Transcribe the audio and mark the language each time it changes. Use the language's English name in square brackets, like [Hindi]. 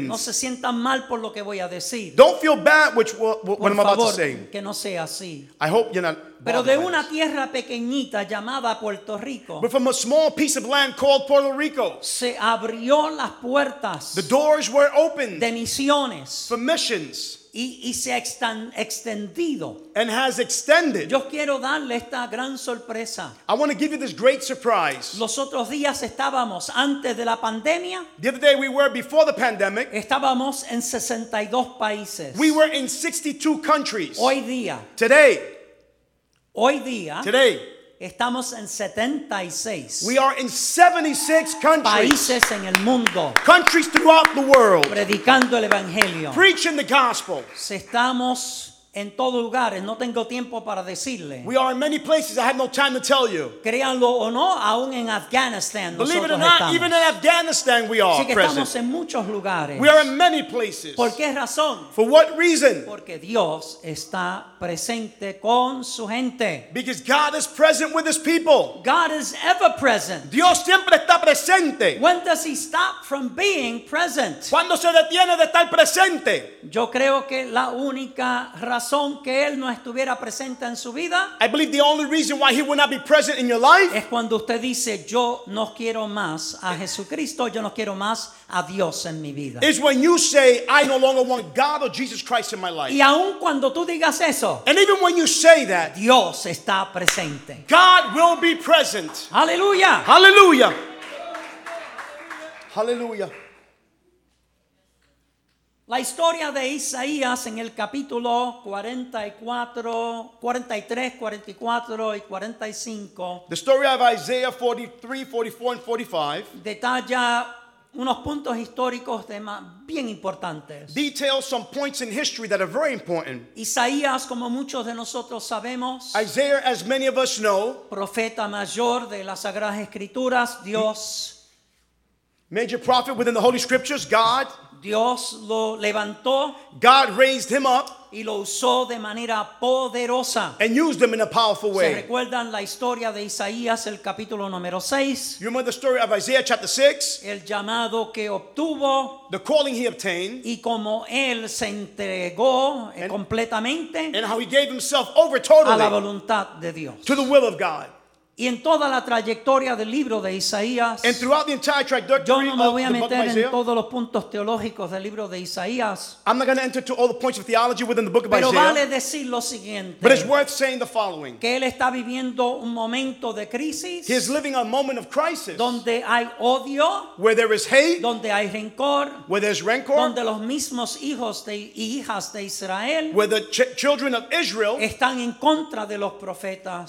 [Spanish] No se sientan mal por lo que voy a decir. [English] Don't feel bad which what I'm [Spanish] favor, [English] about to say. [Spanish] Que no sea así. [English] I hope you're not. [Spanish] Pero de una tierra pequeñita llamada Puerto Rico. [English] But from a small piece of land called Puerto Rico. [Spanish] Se abrió las puertas. [English] The doors were opened. [Spanish] De misiones. [English] For missions. [Spanish] Y se ha extendido. [English] And has extended. [Spanish] Yo quiero darle esta gran sorpresa. [English] I want to give you this great surprise. [Spanish] Los otros días estábamos antes de la pandemia. [English] The other day we were before the pandemic. [Spanish] Estábamos en 62 países. [English] We were in 62 countries. [Spanish] Hoy día. [English] Today. [Spanish] Hoy día. [English] Today. [Spanish] Estamos en 76. [English] We are in 76 countries. [Spanish] Países en el mundo. [English] Countries throughout the world. [Spanish] Predicando el evangelio. [English] Preaching the gospel. [Spanish] Estamos en todos lugares. No tengo tiempo para decirle. [English] We are in many places. I have no time to tell you. [Spanish] Créanlo o no, aún en Afganistán. [English] Believe it or not, [Spanish] estamos. [English] Even in Afghanistan we are present. [Spanish] Así que estamos [English] present. [Spanish] En muchos lugares. [English] We are in many places. [Spanish] ¿Por qué razón? [English] For what reason? [Spanish] Porque Dios está presente con su gente. [English] Because God is present with his people. God is ever present. [Spanish] Dios siempre está presente. [English] When does he stop from being present? [Spanish] ¿Cuándo se detiene de estar presente? Yo creo que la única razón que él no estuviera presente en su vida, [English] I believe the only reason why he would not be present in your life, [Spanish] es cuando usted dice, yo no quiero más a Jesucristo, yo no quiero más a Dios en mi vida. [English] Is when you say, I no longer want God or Jesus Christ in my life. [Spanish] Y aun cuando tú digas eso, [English] and even when you say that, [Spanish] Dios está presente. [English] God will be present. Hallelujah. Hallelujah. Hallelujah. [Spanish] La historia de Isaías en el capítulo 44, 43, 44 y 45, [English] the story of Isaiah 43, 44 and 45, [Spanish] detalla unos puntos históricos de más bien importantes. [English] Details some points in history that are very important. [Spanish] Isaías, como muchos de nosotros sabemos, [English] Isaiah, as many of us know, [Spanish] profeta mayor de las Sagradas Escrituras, Dios. [English] Major prophet within the Holy Scriptures, God. [Spanish] Dios lo levantó. [English] God raised him up. [Spanish] Y lo usó de manera poderosa. [English] And used him in a powerful way. [Spanish] ¿Se recuerdan la historia de Isaías, el capítulo número 6? [English] You remember the story of Isaiah, chapter 6? [Spanish] El llamado que obtuvo. [English] The calling he obtained. [Spanish] Y como él se entregó completamente. [English] And how he gave himself over totally. [Spanish] A la voluntad de Dios. [English] To the will of God. [Spanish] Y en toda la trayectoria del libro de Isaías, [English] and throughout the entire trajectory, [Spanish] yo no me voy a meter [English] Isaiah, [Spanish] en todos los puntos teológicos del libro de Isaías, [English] I'm not going to enter to all the points of theology within the book of [Spanish] pero [English] Isaiah, [Spanish] vale decir lo siguiente, [English] but it's worth saying the following, [Spanish] que él está viviendo un momento de crisis, [English] he is living a moment of crisis, [Spanish] donde hay odio, [English] where there is hate, [Spanish] donde hay rencor, [English] where there's rencor, [Spanish] donde los mismos hijos de, y hijas de Israel, [English] where the children of Israel, [Spanish] están en contra de los profetas,